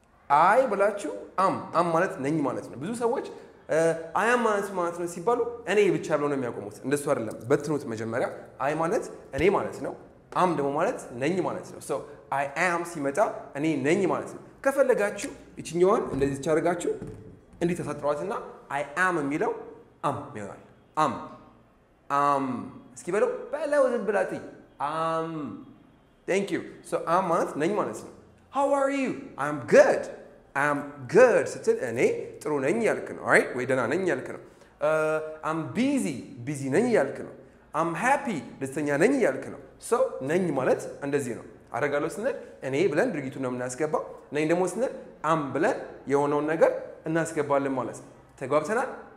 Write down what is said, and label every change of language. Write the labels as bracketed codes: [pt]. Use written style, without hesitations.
[am] አይ ብላችሁ አም። አም ማለት ነኝ ማለት ነው። ብዙ ሰዎች አይ አም ማለት ማለት ነው ሲባሉ እኔ ብቻ ብለው ነው የሚያቆሙት። እንደሱ አይደለም። በትኑት መጀመሪያ። አይ ማለት እኔ ማለት ነው። አም ደግሞ ማለት ነኝ ማለት ነው። ሶ አይ አም ሲመጣ እኔ ነኝ ማለት ነው። ከፈለጋችሁ ይችኛዋን እንደዚህ ቻርጋችሁ እንዲህ ተሳጥሯትና አይ አም የሚለው አም ይሆናል። አም አም። እስኪ በለው በለው ዝም ብላት አም [en] Thank you. So I'm [am] ማለት ነኝ ማለት ነው። [en] How are you? I'm good. I'm good. [am] ስትል እኔ ጥሩ ነኝ ያልክ ነው። [en] All right? [am] ወይ ደህና ነኝ ያልክ ነው። [en] I'm busy. [am] busy ነኝ ያልክ ነው። [en] I'm happy. [am] ደስተኛ ነኝ ያልክ ነው። So ነኝ ማለት እንደዚህ ነው። አረጋለሁ ስንል እኔ ብለን ድርጊቱን ነው እናስገባው። ነኝ ደግሞ ስንል I'm ብለን የሆነውን ነገር እናስገባለን ማለት ነው። ተግባብተናል?